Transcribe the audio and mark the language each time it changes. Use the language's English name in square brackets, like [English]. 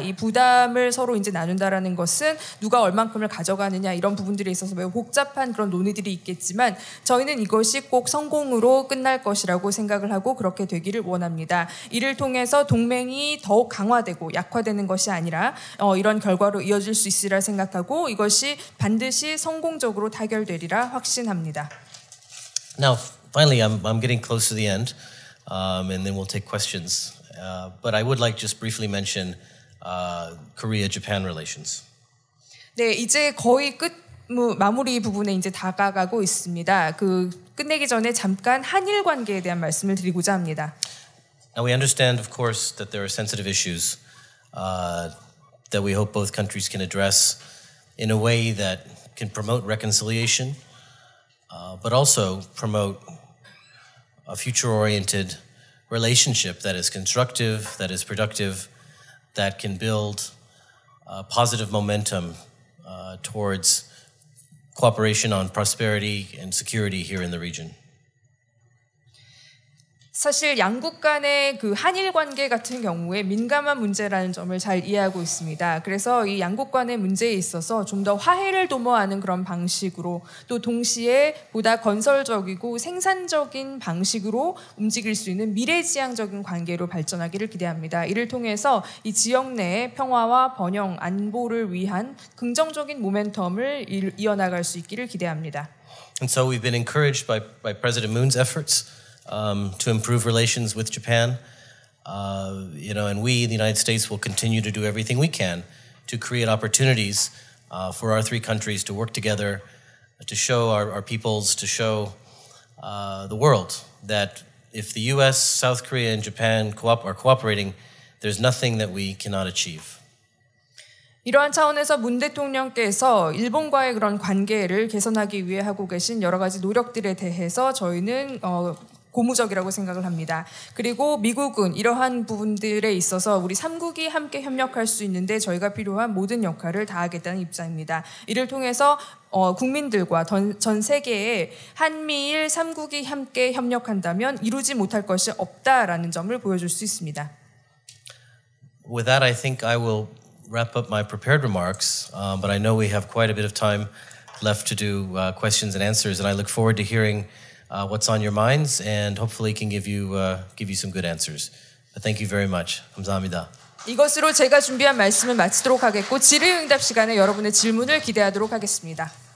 [Korean] 이 부담을 서로 이제 나눈다라는 것은 누가 얼만큼을 가져가느냐 이런 부분들이 있어서 매우 복잡한 그런 논의들이 있겠지만 저희는 이것이 꼭 성공으로 끝날 것이라고 생각을 하고 그렇게 되기를 원합니다. 이를 통해서 동맹이 더욱 강화되고 약화되는 것이 아니라 이런 결과로 이어질 수 있으리라 생각하고 이것이 반드시 성공적으로 타결되리라 확신합니다. [English] Now, finally, I'm getting close to the end, and then we'll take questions. But I would like just briefly mention Korea-Japan relations. [Korean] 네, 이제 거의 끝 마무리 부분에 이제 다가가고 있습니다. 그 끝내기 전에 잠깐 한일 관계에 대한 말씀을 드리고자 합니다. [English] Now, we understand, of course, that there are sensitive issues. That we hope both countries can address in a way that can promote reconciliation, but also promote a future-oriented relationship that is constructive, that is productive, that can build positive momentum towards cooperation on prosperity and security here in the region. [Korean] 사실 양국 간의 그 한일 관계 같은 경우에 민감한 문제라는 점을 잘 이해하고 있습니다. 그래서 이 양국 간의 문제에 있어서 좀 더 화해를 도모하는 그런 방식으로 또 동시에 보다 건설적이고 생산적인 방식으로 움직일 수 있는 미래지향적인 관계로 발전하기를 기대합니다. 이를 통해서 이 지역 내의 평화와 번영, 안보를 위한 긍정적인 모멘텀을 이어나갈 수 있기를 기대합니다. [English] And so we've been encouraged by President Moon's efforts. To improve relations with Japan, you know, and we, the United States, will continue to do everything we can to create opportunities for our three countries to work together, to show our peoples, to show the world that if the U.S., South Korea, and Japan are cooperating, there's nothing that we cannot achieve. [Korean] 이러한 차원에서 문 대통령께서 일본과의 그런 관계를 개선하기 위해 하고 계신 여러 가지 노력들에 대해서 저희는 고무적이라고 생각을 합니다. 그리고 미국은 이러한 부분들에 있어서 우리 3국이 함께 협력할 수 있는데 저희가 필요한 모든 역할을 다하겠다는 입장입니다. 이를 통해서 국민들과 전 세계에 한미일 3국이 함께 협력한다면 이루지 못할 것이 없다라는 점을 보여줄 수 있습니다. [English] With that, I think I will wrap up my prepared remarks, but I know we have quite a bit of time left to do questions and answers, and I look forward to hearing what's on your minds, and hopefully can give you some good answers. But thank you very much. [Korean] 감사합니다. 이것으로 제가 준비한 말씀을 마치도록 하겠고 질의응답 시간에 여러분의 질문을 기대하도록 하겠습니다.